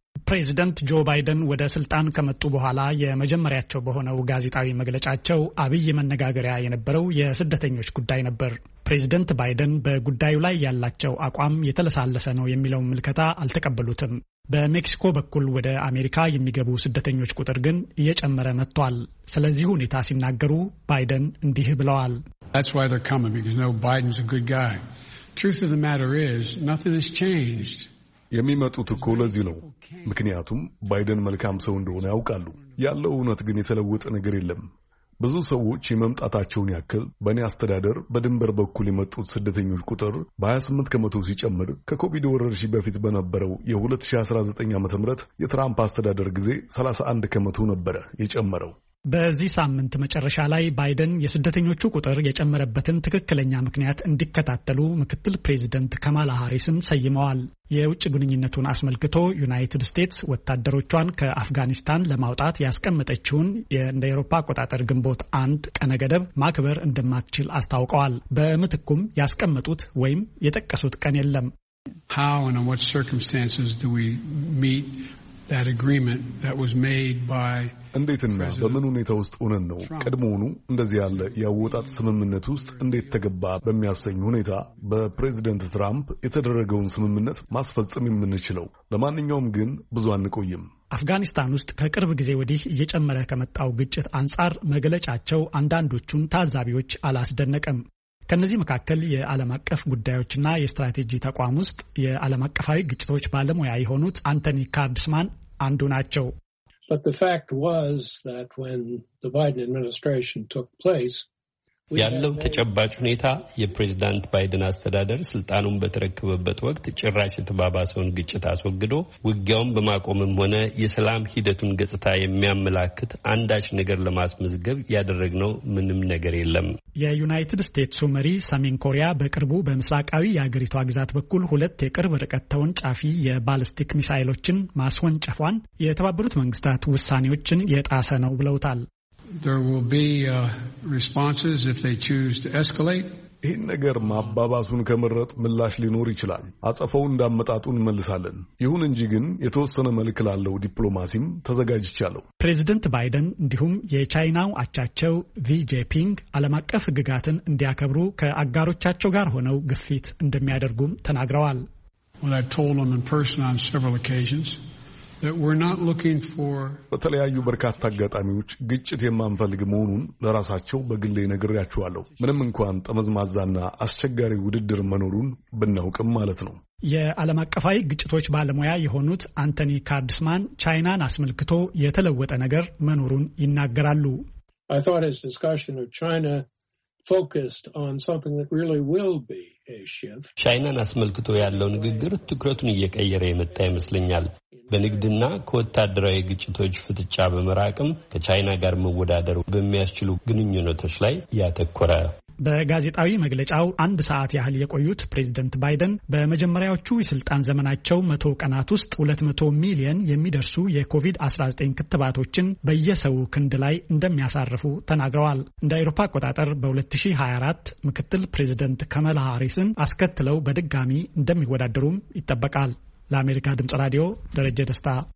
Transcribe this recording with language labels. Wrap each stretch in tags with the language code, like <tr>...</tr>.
<am>ፕሬዚደንት ጆ ባይደን ወደ ስልጣን ከመጡ በኋላ የመጀመሪያቸው በሆነው ጋዜጣዊ መግለጫቸው አብይ መነጋገሪያ የነበረው የስደተኞች ጉዳይ ነበር። ፕሬዚደንት ባይደን በጉዳዩ ላይ ያላቸው አቋም የተለሳለሰ ነው የሚለው ምልከታ አልተቀበሉትም። በሜክሲኮ በኩል ወደ አሜሪካ የሚገቡ ስደተኞች ቁጥር ግን እየጨመረ መጥቷል። ስለዚህ ሁኔታ ሲናገሩ ባይደን እንዲህ ብለዋል።</am> <en>That's why they're coming, because no, Biden's a good guy. Truth of the matter is, nothing has changed.</en> <am>የሚመጡት እኮ ለዚህ ነው። ምክንያቱም ባይደን መልካም ሰው እንደሆነ ያውቃሉ። ያለው እውነት ግን የተለወጠ ነገር የለም። ብዙ ሰዎች የመምጣታቸውን ያክል በእኔ አስተዳደር በድንበር በኩል የመጡት ስደተኞች ቁጥር በ28% ሲጨምር ከኮቪድ ወረርሽኝ በፊት በነበረው የ2019 ዓ.ም የትራምፕ አስተዳደር ጊዜ 31% ነበረ የጨመረው። በዚህ ሳምንት መጨረሻ ላይ ባይደን የስደተኞቹ ቁጥር የጨመረበትን ትክክለኛ ምክንያት እንዲከታተሉ ምክትል ፕሬዚደንት ካማላ ሃሪስን ሰይመዋል። የውጭ ግንኙነቱን አስመልክቶ ዩናይትድ ስቴትስ ወታደሮቿን ከአፍጋኒስታን ለማውጣት ያስቀመጠችውን እንደ አውሮፓ አቆጣጠር ግንቦት 1 ቀነ ገደብ ማክበር እንደማትችል አስታውቀዋል። በምትኩም ያስቀመጡት ወይም የተቀሰሱት ቀን የለም።</am> <en>How and in what circumstances do we meet that agreement that was made by</en> <am>እንዴትና በምን ሁኔታ ውስጥ ሆነን ነው ቀድሞውኑ እንደዚህ ያለ ያወጣት ስምምነት ውስጥ እንዴት ተገባ በሚያሰኝ ሁኔታ በፕሬዝዳንት ትራምፕ የተደረገውን ስምምነት ማስፈጸም የምንችለው? ለማንኛውም ግን ብዙ አንቆይም። አፍጋኒስታን ውስጥ ከቅርብ ጊዜ ወዲህ እየጨመረ ከመጣው ግጭት አንጻር መግለጫቸው አንዳንዶቹን ታዛቢዎች አላስደነቀም። ከነዚህ መካከል የዓለም አቀፍ ጉዳዮችና የስትራቴጂ ተቋም ውስጥ የዓለም አቀፋዊ ግጭቶች ባለሙያ የሆኑት አንቶኒ ካርድስማን አንዱ ናቸው።</am> <en>But the fact was that when the Biden administration took place,</en> <am>ያለው ተጨባጭ ሁኔታ የፕሬዝዳንት ባይደን አስተዳደር ስልጣኑን በተረከበበት ወቅት ጭራሽ የተባባሰውን ግጭት አስወግዶ ውጊያውን በማቆምም ሆነ የሰላም ሂደቱን ገጽታ የሚያመላክት አንዳች ነገር ለማስመዝገብ ያደረግነው ምንም ነገር የለም። የዩናይትድ ስቴትስ መሪ ሰሜን ኮሪያ በቅርቡ በመስራቃዊ ያገሪቷ ግዛት በኩል ሁለት የቅርብ ርቀት ተውን ጫፊ የባሊስቲክ ሚሳኤሎችን ማስወንጨፏን የተባበሩት መንግስታት ውሳኔዎችን የጣሰ ነው ብለውታል።</am> <en>There will be responses if they choose to escalate.</en> <am>ይህን ነገር ማባባሱን ከመረጥ ምላሽ ሊኖር ይችላል። አጸፈው እንዳመጣጡን መልሳለን። ይሁን እንጂ ግን የተወሰነ መልክ ላለው ዲፕሎማሲም ተዘጋጅቻለሁ። ፕሬዚደንት ባይደን እንዲሁም የቻይናው አቻቸው ቪ ጄፒንግ ዓለም አቀፍ ሕግጋትን እንዲያከብሩ ከአጋሮቻቸው ጋር ሆነው ግፊት እንደሚያደርጉም ተናግረዋል።</am> <en>When I told them in person on several occasions, that we're not looking for</en> <am>በተለያዩ በርካታ አጋጣሚዎች ግጭት የማንፈልግ መሆኑን ለራሳቸው በግሌ ነግሬያቸዋለሁ። ምንም እንኳን ጠመዝማዛና አስቸጋሪ ውድድር መኖሩን ብናውቅም ማለት ነው። የዓለም አቀፋዊ ግጭቶች ባለሙያ የሆኑት አንቶኒ ካርድስማን ቻይናን አስመልክቶ የተለወጠ ነገር መኖሩን ይናገራሉ።</am> <en>I thought his discussion of China focused on something that really will be a shift.</en> <am>ቻይናን አስመልክቶ ያለው ንግግር ትኩረቱን እየቀየረ የመጣ ይመስለኛል። በንግድና ከወታደራዊ ግጭቶች ፍጥጫ በመራቅም ከቻይና ጋር መወዳደር በሚያስችሉ ግንኙነቶች ላይ ያተኮረ። በጋዜጣዊ መግለጫው አንድ ሰዓት ያህል የቆዩት ፕሬዝዳንት ባይደን በመጀመሪያዎቹ የስልጣን ዘመናቸው 100 ቀናት ውስጥ 200 ሚሊዮን የሚደርሱ የኮቪድ-19 ክትባቶችን በየሰው ክንድ ላይ እንደሚያሳርፉ ተናግረዋል። እንደ አውሮፓ አቆጣጠር በ2024 ምክትል ፕሬዝዳንት ካማላ ሃሪስን አስከትለው በድጋሚ እንደሚወዳደሩም ይተበቃል። ለአሜሪካ ድምጽ ራዲዮ ደረጀ ደስታ።</am>